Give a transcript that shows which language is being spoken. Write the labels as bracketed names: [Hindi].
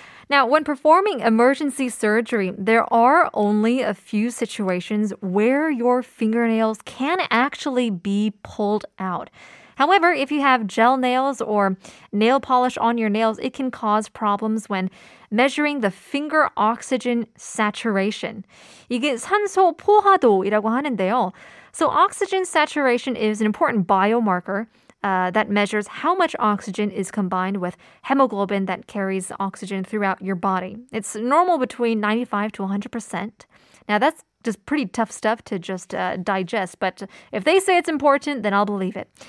[English] Now, when performing emergency surgery, there are only a few situations where your fingernails can actually be pulled out. However, if you have gel nails or nail polish on your nails, it can cause problems when measuring the finger oxygen saturation. [Korean] 이게 산소 포화도이라고 하는데요. [English] So oxygen saturation is an important biomarker that measures how much oxygen is combined with hemoglobin that carries oxygen throughout your body. It's normal between 95 to 100%. Now that's just pretty tough stuff to just digest, but if they say it's important, then I'll believe it.